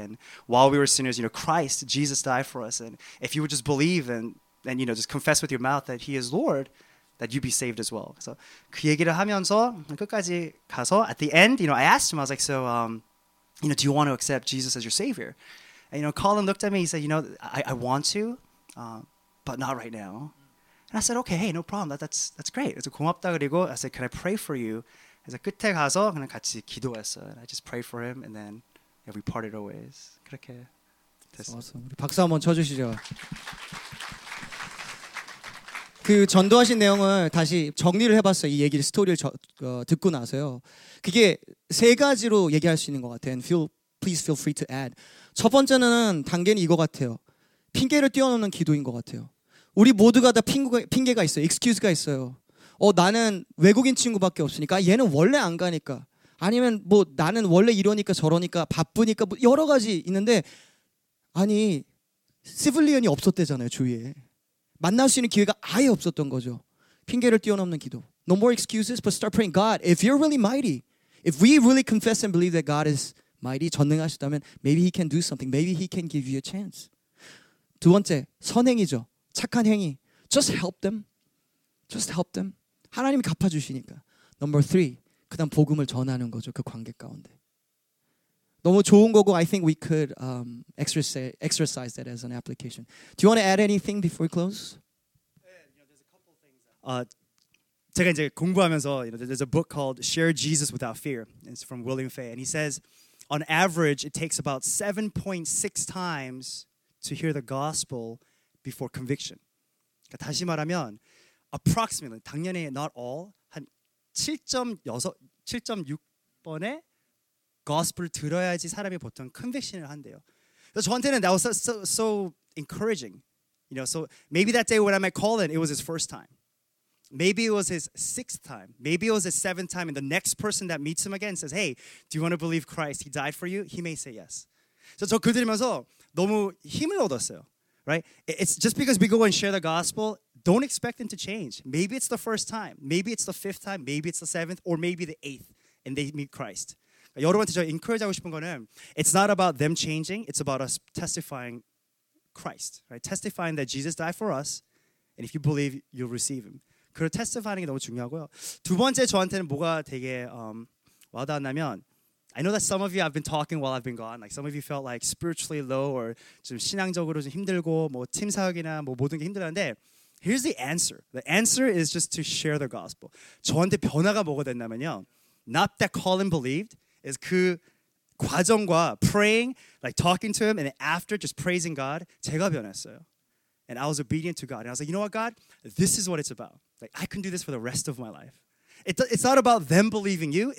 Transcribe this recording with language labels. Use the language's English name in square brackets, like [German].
[English] And while we were sinners, you know, Christ, Jesus died for us. And if you would just believe and you know, just confess with your mouth that he is Lord, that you'd be saved as well. So [Korean] 그 얘기를 하면서 끝까지 가서 [English] at the end, you know, I asked him, I was like, so, you know, do you want to accept Jesus as your savior? And, you know, Colin looked at me, he said, you know, I want to, but not right now. And I said, okay, hey, no problem. That's great. [Korean] 그래서 고맙다 그리고 [English] I said, can I pray for you? [Korean] 그래서 끝에 가서 그냥 같이 기도했어요. [English] I just pray for him and then yeah, we parted our ways. [Korean] 그렇게 됐어요. [English] Awesome. [Korean] 우리 박수 한번 쳐주시죠. 그 전도하신 내용을 다시 정리를 해봤어요. 이 얘기를 스토리를 듣고 나서요. 그게 세 가지로 얘기할 수 있는 것 같아요. [English] And please feel free to add. [Korean] 첫 번째는 단계는 이거 같아요. 핑계를 띄워놓는 기도인 것 같아요. 우리 모두가 다 핑계가 있어요. Excuse가 있어요. 나는 외국인 친구밖에 없으니까 얘는 원래 안 가니까 아니면 뭐 나는 원래 이러니까 저러니까 바쁘니까 뭐 여러 가지 있는데 아니 시빌리언이 없었대잖아요 주위에 만날 수 있는 기회가 아예 없었던 거죠 핑계를 뛰어넘는 기도 [English] No more excuses but start praying God if you're really mighty if we really confess and believe that God is mighty [Korean] 전능하시다면 [English] maybe he can do something maybe he can give you a chance [Korean] 두 번째 선행이죠 착한 행위 [English] just help them Just help them. [Korean] 하나님이 갚아주시니까. [English] Number three, [Korean] 그 다음 복음을 전하는 거죠. 그 관계 가운데. 너무 좋은 거고 [English] I think we could exercise that as an application. Do you want to add anything before we close? Yeah, you know, there's a couple things. [Korean] 제가 이제 공부하면서 [English] you know, there's a book called Share Jesus Without Fear. It's from William Fay. And he says, on average, it takes about 7.6 times to hear the gospel before conviction. [Korean] 그러니까 다시 말하면 approximately 당연히 [English] not all [Korean] 한 7.6번의 gospel 들어야지 사람이 보통 conviction을 한대요. 그래서 저한테는 [English] that was so encouraging. You know, so maybe that day when I met Colin, it was his first time. Maybe it was his sixth time. Maybe it was his seventh time. And the next person that meets him again says, hey, do you want to believe Christ? He died for you? He may say yes. [Korean] So 저 글 들으면서 너무 힘을 얻었어요. [English] Right? It's just because we go and share the gospel, don't expect them to change. Maybe it's the first time. Maybe it's the fifth time. Maybe it's the seventh or maybe the eighth and they meet Christ. [Korean] 여러분한테 저 encourage하고 싶은 거는 [English] it's not about them changing. It's about us testifying Christ. Right? Testifying that Jesus died for us and if you believe, you'll receive him. [Korean] 그걸 testifying 게 너무 중요하고요. 두 번째 저한테는 뭐가 되게 와닿았냐면 [English] I know that some of you I've been talking while I've been gone. Like some of you felt like spiritually low or [Korean] 좀 신앙적으로 좀 힘들고 뭐 팀 사역이나 뭐 모든 게 힘들었는데 [English] here's the answer. The answer is just to share the gospel. [Korean] 저한테 변화가 뭐가 됐냐면요. [English] Not that Colin believed is [Korean] 그 과정과 [English] praying, like talking to him and after just praising God, [Korean] 제가 변했어요. [English] And I was obedient to God. And I was like, you know what, God? This is what it's about. Like I can do this for the rest of my life. It's not about them believing you.